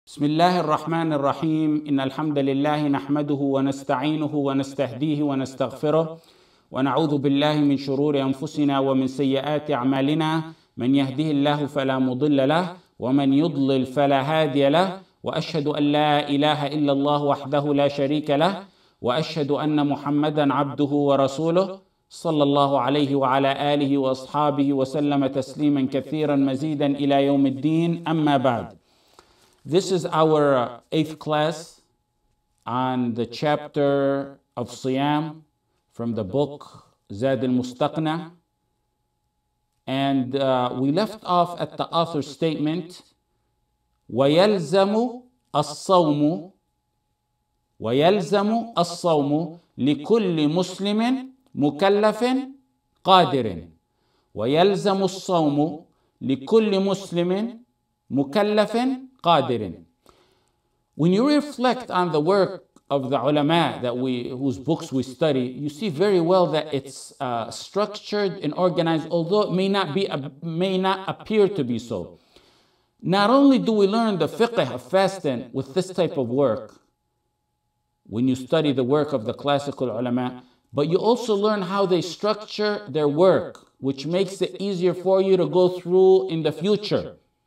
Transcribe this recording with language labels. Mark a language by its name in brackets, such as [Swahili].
[Arabic] بسم الله الرحمن الرحيم إن الحمد لله نحمده ونستعينه ونستهديه ونستغفره ونعوذ بالله من شرور أنفسنا ومن سيئات أعمالنا من يهده الله فلا مضل له ومن يضلل فلا هادي له وأشهد أن لا إله إلا الله وحده لا شريك له وأشهد أن محمدًا عبده ورسوله صلى الله عليه وعلى آله وأصحابه وسلم تسليمًا كثيرًا مزيدًا إلى يوم الدين أما بعد. [English] This is our eighth class on the chapter of Siyam from the book Zaad al-Mustaqni. And we left off at the author's statement, [Arabic] وَيَلْزَمُ الصَّوْمُ وَيَلْزَمُ الصَّوْمُ لِكُلِّ مُسْلِمٍ مُكَلَّفٍ قَادِرٍ وَيَلْزَمُ الصَّوْمُ لِكُلِّ مُسْلِمٍ مُكَلَّفٍ قَادِرٍ. [English] When you reflect on the work of the ulama whose books we study, you see very well that it's structured and organized, although it may not appear to be so. Not only do we learn the fiqh of fasting with this type of work, when you study the work of the classical ulama, but you also learn how they structure their work, which makes it easier for you to go through in the future.